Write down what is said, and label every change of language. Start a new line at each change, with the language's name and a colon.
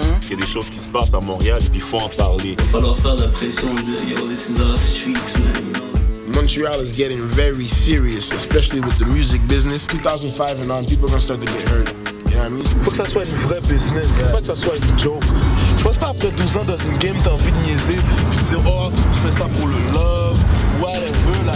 French: Il y a des choses qui se passent à Montréal et puis faut en parler. Il va falloir faire la pression et dire,
English: yo, this is our streets, man. Montreal is getting very serious, especially with the music business. 2005 and on, people are going to start to get hurt. You know what I mean?
French: Faut que ça soit une vraie business, yeah. Pas que ça soit une joke. Je pense pas après 12 ans dans une game, t'as envie de niaiser, puis dire, oh, je fais ça pour le love, whatever, là.